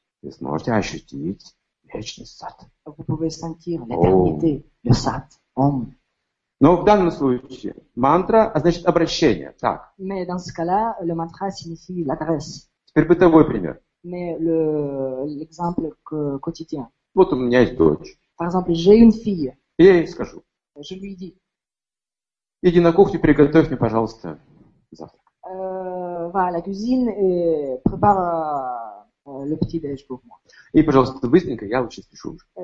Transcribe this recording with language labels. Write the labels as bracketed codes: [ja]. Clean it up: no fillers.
[ru] Вы сможете ощутить вечность сад. [fr] Vous pouvez sentir l'éternité, le сад, ом. [ru] Но в данном случае мантра, а значит обращение, так. [fr] Mais dans ce cas-là, le mantra signifie l'adresse. [ru] Теперь бытовой пример. [fr] Mais l'exemple quotidien. [ru] Вот у меня есть дочь. [fr] Par exemple, j'ai une fille. [ru] Я ей скажу. [fr] Je lui dis. [ru] Иди на кухню, приготовь мне, пожалуйста, завтрак. [fr] Va à la cuisine et prépare le petit déj pour moi. [ru] И, пожалуйста, быстренько, я лучше спешу.